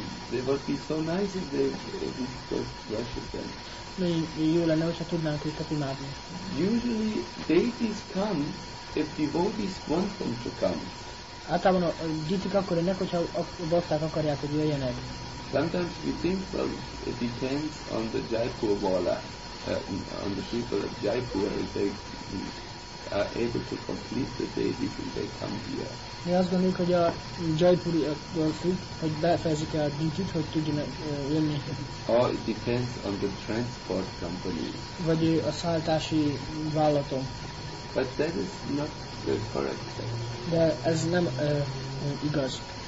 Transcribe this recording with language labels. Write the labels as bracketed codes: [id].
[en] They would be so nice if they could worship them. [hu] Jó lenne, hogyha tudnánk őket imádni. [en] Usually deities come if devotees want them to come. [hu] Általában a dítik akkor jönnek, hogyha a bakták akarják, hogy jöjjenek. [en] Sometimes we think, well, it depends on the Jaipur Vala, on the people of Jaipur, if they are able to complete the deities and they come here. [hu] Mi azt gondoljuk, hogy a Jaipuri függ, hogy befejezik a dítit, hogy tudjanak jönni. [en] Or it depends on the transport company. [hu] Vagy a szállítási vállalatom. [en] But that is not the correct thing. [hu] De ez nem igaz.